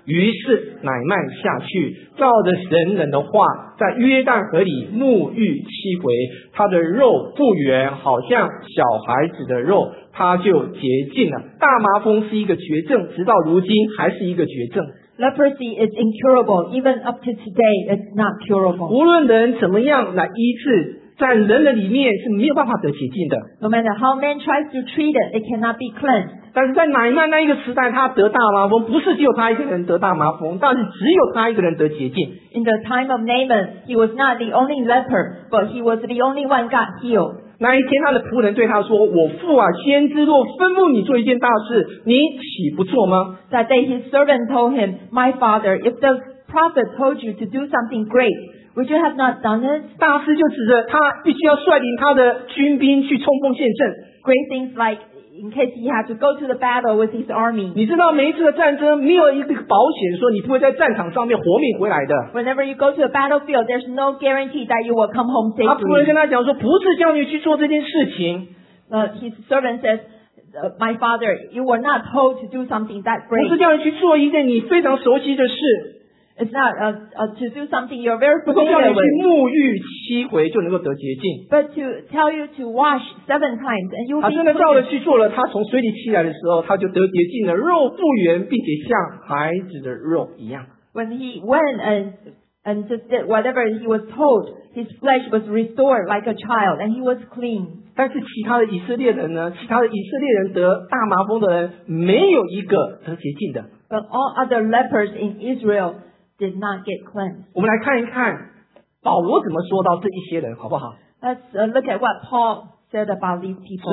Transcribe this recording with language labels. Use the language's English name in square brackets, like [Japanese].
[Chinese] 于是乃曼下去，照着神人的话，在约旦河里沐浴七回，他的肉复原，好像小孩子的肉，他就洁净了。大麻风是一个绝症，直到如今还是一个绝症。 [English] Leprosy is incurable, even up to today, it's not curable. [Chinese] 无论人怎么样来医治，在人的里面是没有办法得洁净的。 [English] No matter how man tries to treat it, it cannot be cleansed. [Chinese] 但是在乃曼那一个时代，他得大麻风，不是只有他一个人得大麻风，但是只有他一个人得洁净。 [English] In the time of Naaman, he was not the only leper, but he was the only one God healed. [Chinese] 那一天他的仆人对他说，我父啊，先知若吩咐你做一件大事，你岂不做吗？ [English] That day his servant told him, my father, if the prophet told you to do something great, would you have not done it? [Chinese] 大事就指着他必须要率领他的军兵去冲锋陷阵。 [English] Great things like in case he had to go to the battle with his army. [Chinese] 你知道每一次的战争没有一个保险说你不会在战场上面活命回来的。 [English] Whenever you go to a battlefield, there's no guarantee that you will come home safely. [Chinese] 他仆人跟他讲说，不是叫你去做这件事情。 [English] His servant says, my father, you were not told to do something that great. [Chinese] 不是叫你去做一件你非常熟悉的事。 [English] It's not to do something you're very familiar with. [Chinese] 不是叫你去沐浴七回就能够得洁净。 [English] But to tell you to wash seven times and you'll be clean. [Chinese] 他真的照着去做了，他从水里起来的时候，他就得洁净了，肉复原，并且像孩子的肉一样。 [English] When he went and just did whatever he was told, his flesh was restored like a child and he was clean. [Chinese] 但是其他的以色列人呢？其他的以色列人得大麻风的人没有一个得洁净的。 [English] But all other lepers in Israel did not get cleansed. [Chinese] 我们来看一看保罗怎么说到这一些人，好不好？ [English] Let's look at what Paul said about these people.